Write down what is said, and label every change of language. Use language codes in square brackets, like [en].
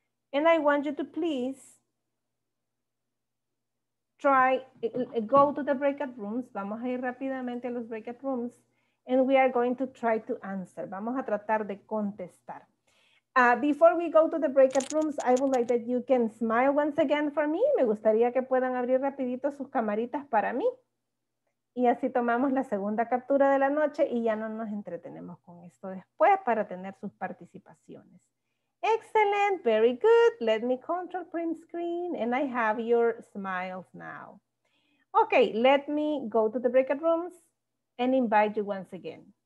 [en] And I want you to please try, go to the breakout rooms. [es] Vamos a ir rápidamente a los breakout rooms. [en] And we are going to try to answer. [es] Vamos a tratar de contestar. [en] Before we go to the breakout rooms, I would like that you can smile once again for me. [es] Me gustaría que puedan abrir rapidito sus camaritas para mí. Y así tomamos la segunda captura de la noche y ya no nos entretenemos con esto después para tener sus participaciones. [en] Excellent, very good. Let me control print screen and I have your smiles now. Okay, let me go to the breakout rooms and invite you once again.